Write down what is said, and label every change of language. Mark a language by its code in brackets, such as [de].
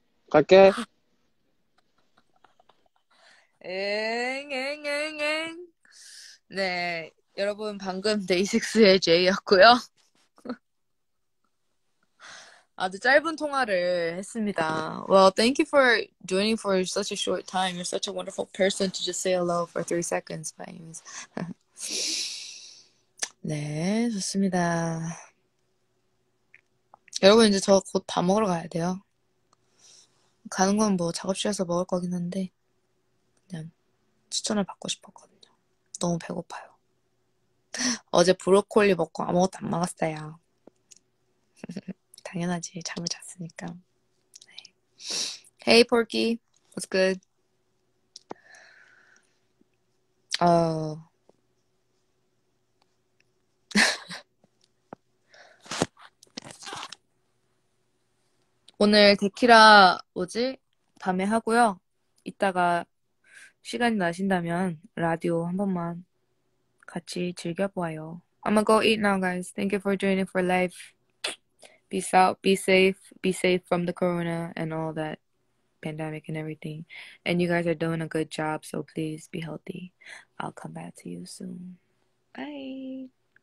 [ko] 갈게. 엥엥엥엥. 네, 여러분 방금 데이식스의 제이였고요. 아주 짧은 통화를 했습니다. [en] Well, thank you for joining for such a short time. You're such a wonderful person to just say hello for 3 seconds, by any means. [ko] 네, 좋습니다. 여러분, 이제 저 곧 밥 먹으러 가야 돼요. 가는 건 뭐 작업실에서 먹을 거긴 한데 그냥 추천을 받고 싶었거든요. 너무 배고파요. 어제 브로콜리 먹고 아무것도 안 먹었어요. 당연하지, 잠을 잤으니까. [en] Hey, Porky. What's good? [ko] 오늘 데키라 뭐지? 밤에 하고요. 이따가 시간이 나신다면 라디오 한 번만 같이 즐겨보아요. [en] I'm gonna go eat now, guys. Thank you for joining for life. Peace out. Be safe. Be safe from the corona and all that pandemic and everything. And you guys are doing a good job, so please be healthy. I'll come back to you soon. Bye.